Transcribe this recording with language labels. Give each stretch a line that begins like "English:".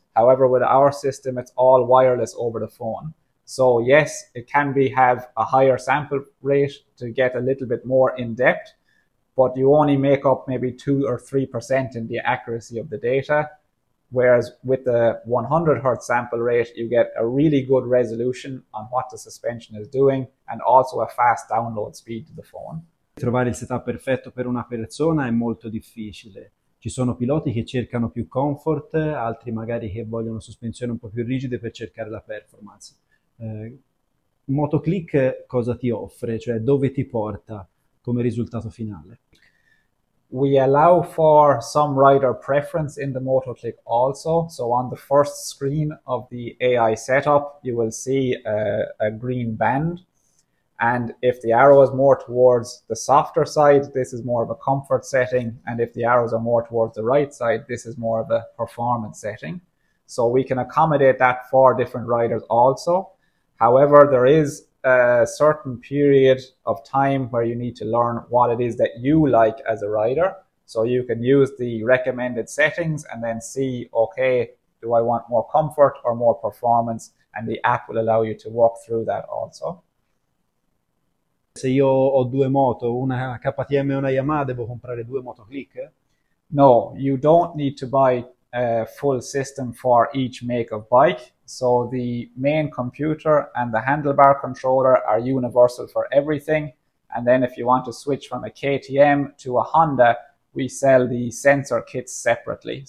English: However, with our system, it's all wireless over the phone. So yes, it can be have a higher sample rate to get a little bit more in depth, but you only make up maybe 2 or 3% in the accuracy of the data. Whereas with the 100 Hz sample rate, you get a really good resolution on what the suspension is doing and also a fast download speed to the phone.
Italian: Trovare il setup perfetto per una persona è molto difficile. Ci sono piloti che cercano più comfort, altri magari che vogliono sospensioni un po' più rigide per cercare la performance. Motoklik cosa ti offre, cioè dove ti porta come risultato finale?
English: We allow for some rider preference in the Motoklik also. So on the first screen of the AI setup, you will see a green band. And if the arrow is more towards the softer side, this is more of a comfort setting. And if the arrows are more towards the right side, this is more of a performance setting. So we can accommodate that for different riders also. However, there is a certain period of time where you need to learn what it is that you like as a rider. So you can use the recommended settings and then see, okay, do I want more comfort or more performance? And the app will allow you to walk through that also.
Italian: Se io ho due moto, una KTM e una Yamaha, devo comprare due Motoklik?
English: No, you don't need to buy a full system for each make of bike. So the main computer and the handlebar controller are universal for everything. And then if you want to switch from a KTM to a Honda, we sell the sensor kits separately.